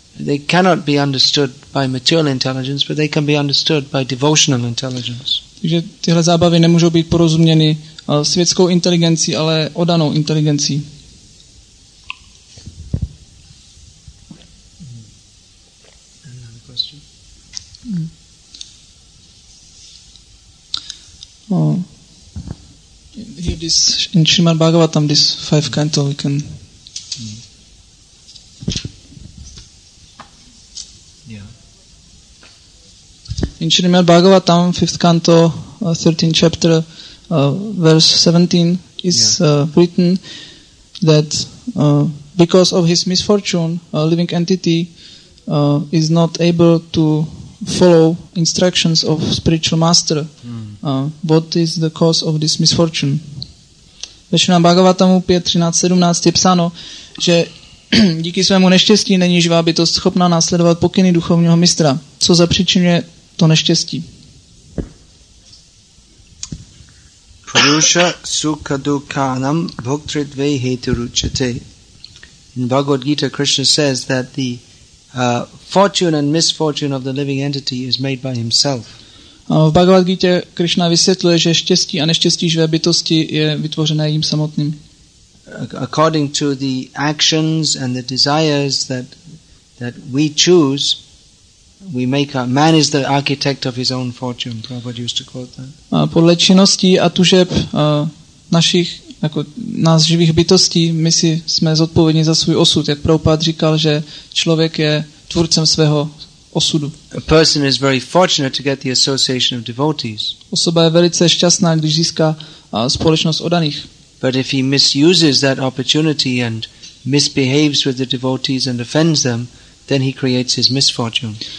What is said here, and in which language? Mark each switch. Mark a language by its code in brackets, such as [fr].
[en] They cannot be understood by material intelligence, but they can be understood by devotional intelligence. [cs] Takže tyhle zábavy nemůžou být porozuměny světskou inteligencí, ale odanou inteligencí. [en] Here this in Srimad Bhagavatam, this fifth canto, we can. Yeah. In Srimad Bhagavatam, fifth canto, 13th chapter, verse 17 is written that because of his misfortune, a living entity is not able to follow instructions of spiritual master. What is the cause of this misfortune? [cs] Ve Šrimad Bhagavatamu 5.13.17 je psáno, že díky svému neštěstí není živá bytost schopná následovat pokyny duchovního mistra. Co zapříčinuje to neštěstí? [sa] Purusha sukha dukkhanam bhoktritve heturuchate. [en] In Bhagavad Gita, Krishna says that the fortune and misfortune of the living entity is made by himself. [cs] V Bhagavad Gita Krishna vysvětluje, že štěstí a neštěstí živé bytosti je vytvořené jim samotným. [en] According to the actions and the desires that we choose, we make our man is the architect of his own fortune. Prabhupada used to quote that. [cs] Podle činností a tužeb našich jako nás živých bytostí, my si jsme zodpovědní za svůj osud, jak Prabhupada říkal, že člověk je tvůrcem svého osudu. [en] A person is very fortunate to get the association of devotees. [cs] Osoba je velice šťastná, když získá společnost oddaných. [en] But if he misuses that opportunity and misbehaves with the devotees and offends them, then he creates his misfortune.